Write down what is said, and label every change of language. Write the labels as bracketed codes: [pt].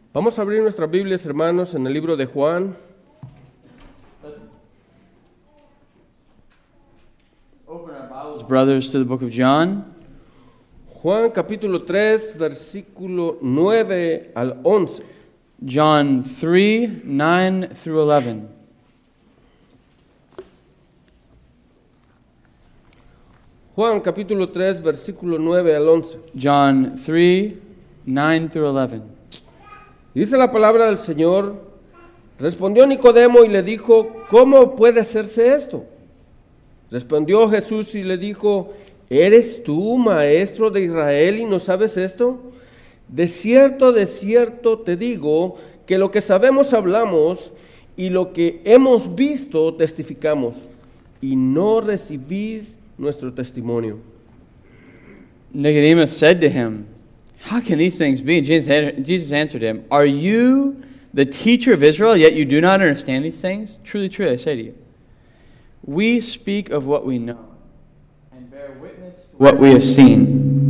[es] Vamos a abrir nuestras Biblias, hermanos, en el libro de Juan. [en] Open our Bibles, brothers, to the book of John. [es] Juan, capítulo 3, versículo 9 al 11. [en] John 3, 9 through 11. [es] Juan, capítulo 3, versículo 9 al 11. [en] John 3, 9 through 11. [es] Dice la palabra del Señor, respondió Nicodemo y le dijo, ¿cómo puede hacerse esto? Respondió Jesús y le dijo, ¿eres tú maestro de Israel y no sabes esto? De cierto te digo que lo que sabemos hablamos y lo que hemos visto testificamos y no recibís nuestro testimonio. [en] Nicodemus said to him, how can these things be? Jesus answered him, are you the teacher of Israel, yet you do not understand these things? Truly, truly, I say to you, we speak of what we know and bear witness to what we have seen.